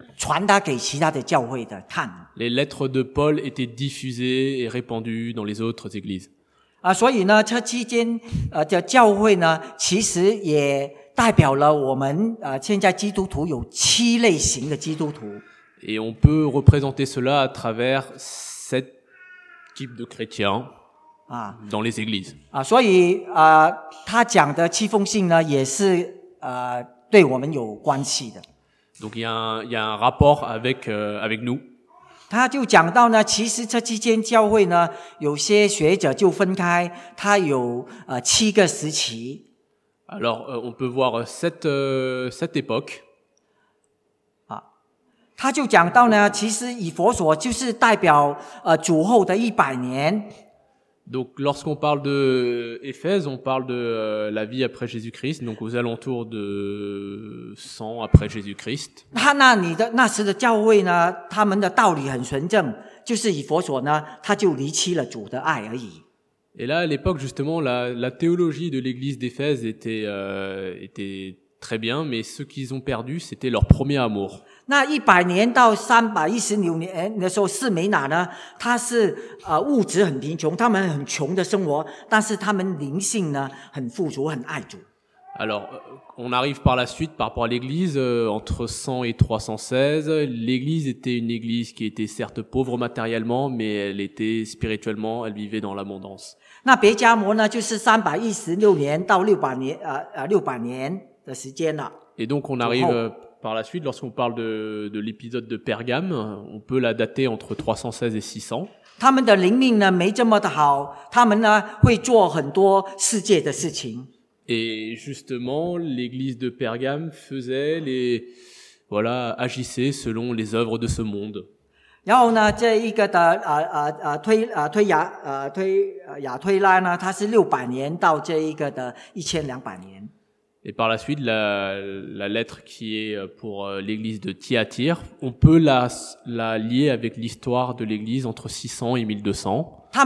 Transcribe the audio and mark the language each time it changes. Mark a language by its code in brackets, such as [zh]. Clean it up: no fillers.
[zh] 传达给其他的教会的看。 [fr] Les lettres de Paul étaient diffusées et répandues dans les autres églises. [zh] 所以呢，这期间的教会呢，其实也代表了我们现在基督徒有七类型的基督徒。 [fr] Et on peut représenter cela à travers sept types de chrétiens dans les églises. [zh] 所以他讲的七封信呢，也是对我们有关系的。 [fr] Donc il y a un rapport avec nous. [zh] 他就讲到呢，其实这期间教会呢，有些学者就分开，它有七个时期。 [fr] Alors on peut voir cette époque. [zh] 他就讲到呢，其实以弗所就是代表主后的一百年。 [fr] Donc lorsqu'on parle de Éphèse, on parle de la vie après Jésus-Christ, donc aux alentours de 100 après Jésus-Christ. [zh] 那时的教会呢，他们的道理很纯正，就是以弗所呢，他就离弃了主的爱而已。 [fr] Et là, à l'époque, justement, la théologie de l'église d'Éphèse était très bien, mais ce qu'ils ont perdu, c'était leur premier amour. [zh] 那一百年到三百一十六年的时候，士美拿呢，他是物质很贫穷，他们很穷的生活，但是他们灵性呢很富足，很爱主。 [fr] Alors, on arrive par la suite par rapport à l'Église entre 100 et 316. L'Église était une Église qui était certes pauvre matériellement, mais elle était spirituellement, elle vivait dans l'abondance. [zh] 那别加摩呢，就是三百一十六年到六百年的时间了。 [fr] Et donc on arrive par la suite, lorsqu'on parle de l'épisode de Pergame, on peut la dater entre 316 et 600. [zh] 他们的灵命呢，没这么的好，他们呢会做很多世界的事情。 [fr] Et justement, l'église de Pergame faisait les, voilà, agissait selon les œuvres de ce monde. [zh] 然后呢，这一个的推亚推拉呢，它是600年到这一个的1200年。 [fr] Et par la suite, la lettre qui est pour l'église de Thyatire, on peut la lier avec l'histoire de l'église entre 600 et 1200.